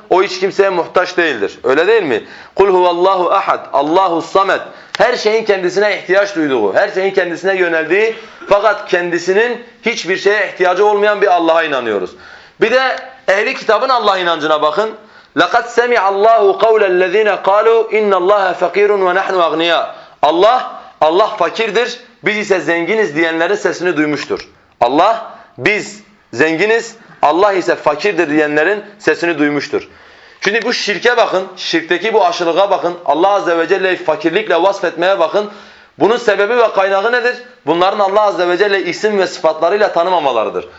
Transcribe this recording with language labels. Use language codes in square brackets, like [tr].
[tr] O hiç kimseye muhtaç değildir. Öyle değil mi? [ar] قُلْ هُوَ اللّٰهُ اَحَدْ اللّٰهُ الصَّمَدْ [tr] Her şeyin kendisine ihtiyaç duyduğu, her şeyin kendisine yöneldiği fakat kendisinin hiçbir şeye ihtiyacı olmayan bir Allah'a inanıyoruz. Bir de ehli kitabın Allah inancına bakın. [ar] لَقَدْ سَمِعَ اللّٰهُ قَوْلَ الَّذ۪ينَ قَالُوا اِنَّ اللّٰهَ فَقِيرٌ وَنَحْنُ اَغْنِيَا [tr] Allah fakirdir. Biz ise zenginiz diyenlerin sesini duymuştur. Allah, biz zenginiz, Allah ise fakirdir diyenlerin sesini duymuştur. Şimdi bu şirke bakın, şirkteki bu aşırılığa bakın, Allah Azze ve Celle'yi fakirlikle vasfetmeye bakın. Bunun sebebi ve kaynağı nedir? Bunların Allah Azze ve Celle isim ve sıfatlarıyla tanımamalarıdır.